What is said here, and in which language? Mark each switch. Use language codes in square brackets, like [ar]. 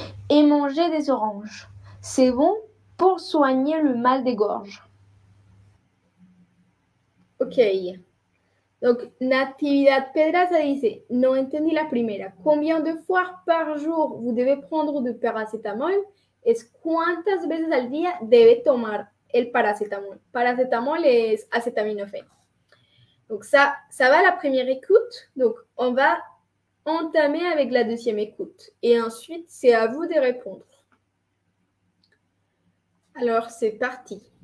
[fr] Et manger des oranges. C'est bon pour soigner le mal des gorges. [es] Ok. Donc, Natividad Pedraza dice, no entendí la primera. [fr] Combien de fois par jour vous devez prendre du paracétamol? [es] Es cuántas veces al día debe tomar el paracétamol? [fr] Paracétamol es acétaminophène. Donc, ça va la première écoute. Donc, on va entamer avec la deuxième écoute. Et ensuite, c'est à vous de répondre. Alors, c'est parti.